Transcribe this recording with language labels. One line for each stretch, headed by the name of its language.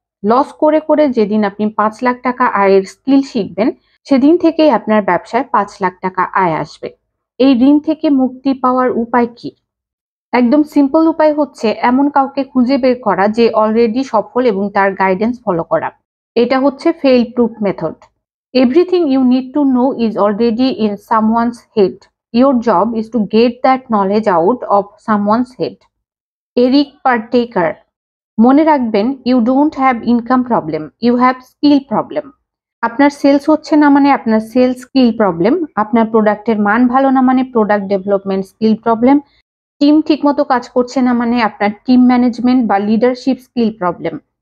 Bangla: Loss করে করে যেদিন আপনি 5 লাখ টাকা আয়ের স্কিল শিখবেন, সেদিন থেকেই আপনার ব্যবসায় 5 লাখ টাকা আয় আসবে। এই ঋণ থেকে মুক্তি পাওয়ার উপায় কি? একদম সিম্পল উপায় হচ্ছে এমন কাউকে খুঁজে বের করা যে অলরেডি সফল এবং তার গাইডেন্স ফলো করা। এটা হচ্ছে fail proof method.
English: Everything you need to know is already in someone's head. Your job is to get that knowledge out of someone's head. Eric Partaker.
Bangla: মনে রাখবেন,
English: You don't have income problem, you have skill problem.
Bangla: আপনার sales হচ্ছে না মানে আপনার sales skill problem, আপনার প্রোডাক্টের মান ভালো না মানে product development skill problem, team ঠিক মতো কাজ করছে না মানে আপনার টিম ম্যানেজমেন্ট বা লিডারশিপ স্কিল প্রবলেম।